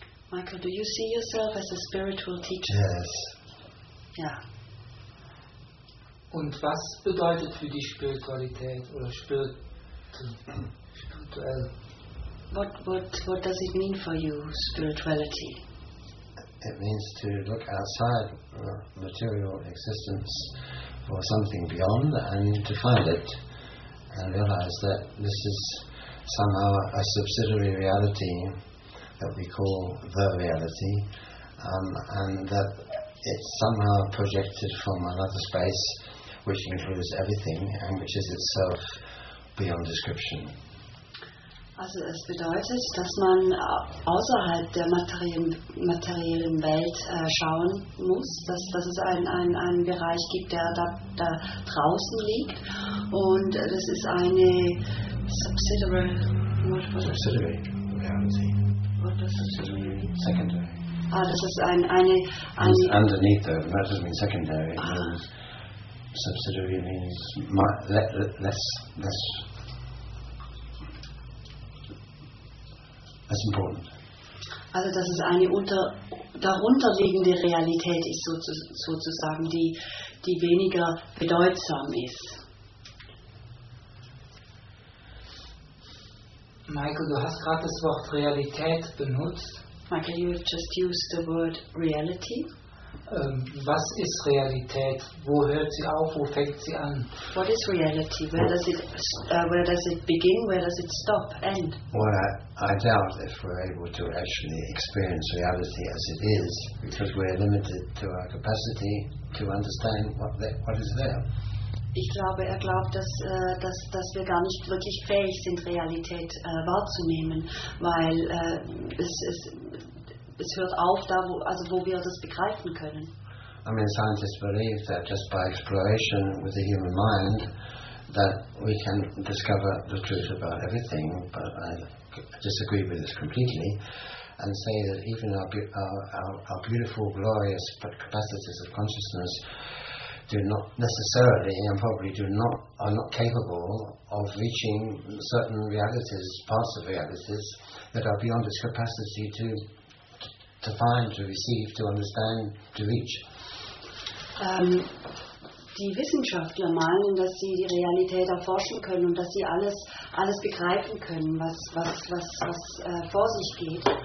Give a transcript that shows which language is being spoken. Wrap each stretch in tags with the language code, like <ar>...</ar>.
<en>Michael, do you see yourself as a spiritual teacher? Yes. Yeah.</en> <de>Und was bedeutet für dich Spiritualität oder spirituell?</de> <en>What does it mean for you, spirituality? It means to look outside material existence for something beyond and to find it and realize that this is somehow a subsidiary reality that we call the reality, and that it's somehow projected from another space which includes everything and which is itself beyond description.</en> <de>Also es bedeutet, dass man außerhalb der materiellen Welt schauen muss, dass es einen Bereich gibt, der da draußen liegt, und das ist eine subsidiary</de> <en>reality. What does subsidiary mean? Secondary.</en> <de>Ah, das ist eine</de> <en>It's underneath the, that doesn't mean secondary. Subsidiary means less. That's important.</en> <de>Also dass es eine darunterliegende Realität ist, sozusagen, die weniger bedeutsam ist. Michael, du hast gerade das Wort Realität benutzt.</de> <en>Michael, you have just used the word reality.</en> <de>Was ist Realität? Wo hört sie auf? Wo fängt sie an?</de> <en>What is reality? Where does it begin? Where does it stop? End? Well, I doubt if we're able to actually experience reality as it is, because we're limited to our capacity to understand what is there.</en> <de>Ich glaube, er glaubt, dass wir gar nicht wirklich fähig sind, Realität wahrzunehmen, weil es hört auf, wo wir das begreifen können.</de> <en>I mean, scientists believe that just by exploration with the human mind that we can discover the truth about everything, but I disagree with this completely and say that even our beautiful, glorious capacities of consciousness do not necessarily and probably are not capable of reaching certain realities, parts of realities that are beyond its capacity to find, to receive, to understand, to reach.</en> <de>Die Wissenschaftler meinen, dass sie die Realität erforschen können und dass sie alles begreifen können, was vor sich geht.</de>